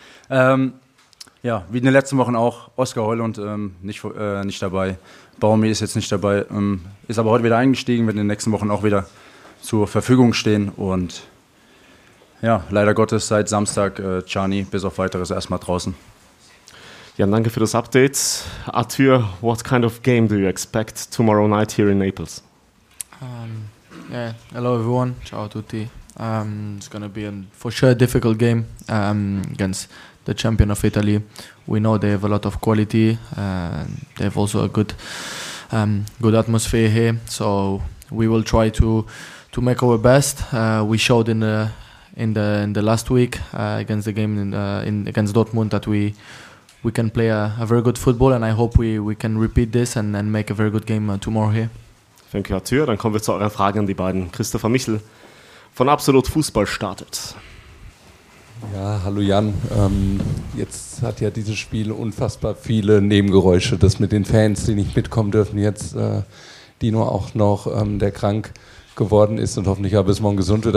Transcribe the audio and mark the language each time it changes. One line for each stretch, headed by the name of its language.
German: Ja, wie in den letzten Wochen auch, Oskar Højlund nicht dabei. Baumi ist jetzt nicht dabei, ist aber heute wieder eingestiegen, wird in den nächsten Wochen auch wieder zur Verfügung stehen. Und ja, leider Gottes seit Samstag Chani, bis auf Weiteres, erstmal draußen. Ja, danke für das Update.
English: Arthur, what kind of game do you expect tomorrow night here in Naples? Yeah, hello everyone,
Italian: ciao a tutti.
English: It's gonna be a for sure a difficult game against the champion of Italy. We know they have a lot of quality. They have also a good atmosphere here. So we will try to make our best. We showed in the last week against the game in against Dortmund that we can play a very good football, and I hope we can repeat this and make a very good game tomorrow here. Thank you, Arthur.
German: Dann kommen wir zu euren Fragen an die beiden. Christopher Michel von Absolut Fußball startet. Ja, hallo Jan. Jetzt hat ja dieses Spiel unfassbar viele Nebengeräusche. Das mit den Fans, die nicht mitkommen dürfen, jetzt Dino auch noch, der krank geworden ist und hoffentlich auch bis morgen gesund wird.